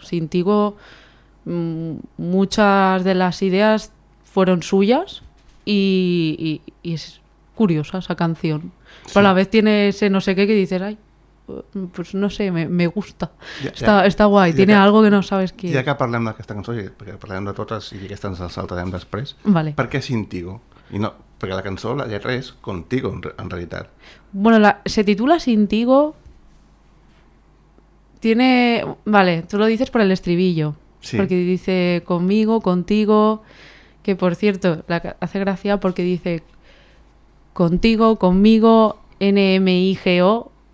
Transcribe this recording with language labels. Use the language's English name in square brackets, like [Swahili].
[Spanish] Sintigo, muchas de las ideas fueron suyas y es curiosa esa canción. Sí. Pero a la vez tiene ese no sé qué que dices, ay, pues no sé, me gusta. Está guay, tiene algo que no sabes qué. [Catalan] Ya que parlem d'aquesta cançó, perquè parlem de totes i aquesta ens la saltarem després. [Spanish] Vale. [Catalan] ¿Per què Sintigo? [Spanish] Y no... Porque la canción, la letra es contigo, en realidad. Bueno, se titula Sintigo. Tiene... Vale, tú lo dices por el estribillo. Sí. Porque dice conmigo, contigo. Que, por cierto, hace gracia porque dice contigo, conmigo, NMIGO.